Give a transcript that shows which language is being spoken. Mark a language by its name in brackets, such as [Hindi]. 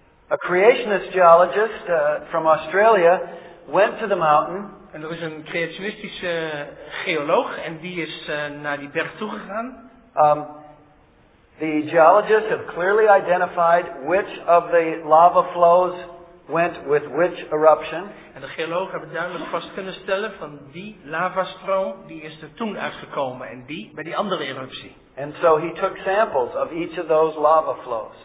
[English] A creationist geologist from Australia went to the mountain. [Dutch] En er is een creationistische geoloog en die is naar die berg toegegaan. [English] The geologists have clearly identified which of the lava flows went with which eruption. [Dutch] En de geologen hebben duidelijk vast kunnen stellen van die lavastroom die is er toen uitgekomen en die bij die andere eruptie. [English] And so he took samples of each of those lava flows.